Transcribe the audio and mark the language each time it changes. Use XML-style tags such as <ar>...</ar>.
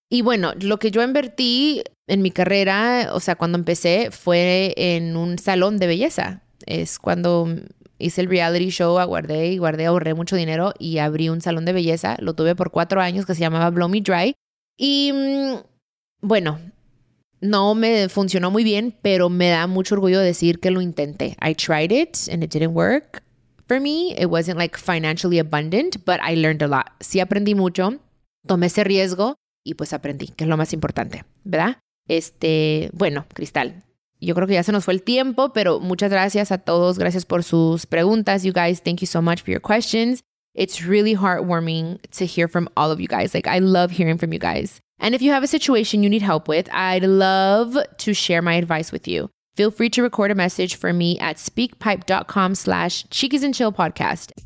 <es>Y bueno, lo que yo invertí en mi carrera, o sea, cuando empecé, fue en un salón de belleza. Es cuando hice el reality show, guardé, ahorré mucho dinero y abrí un salón de belleza. Lo tuve por 4 años, que se llamaba Blow Me Dry. Y bueno, no me funcionó muy bien, pero me da mucho orgullo decir que lo intenté.</es> <en>I tried it and it didn't work for me. It wasn't like financially abundant, but I learned a lot.</en> <es>Sí aprendí mucho, tomé ese riesgo y pues aprendí, que es lo más importante, ¿verdad? Bueno, Cristal, yo creo que ya se nos fue el tiempo, pero muchas gracias a todos. Gracias por sus preguntas.</es> <en>You guys, thank you so much for your questions. It's really heartwarming to hear from all of you guys. Like, I love hearing from you guys. And if you have a situation you need help with, I'd love to share my advice with you. Feel free to record a message for me at speakpipe.com/cheekiesandchillpodcast.</en>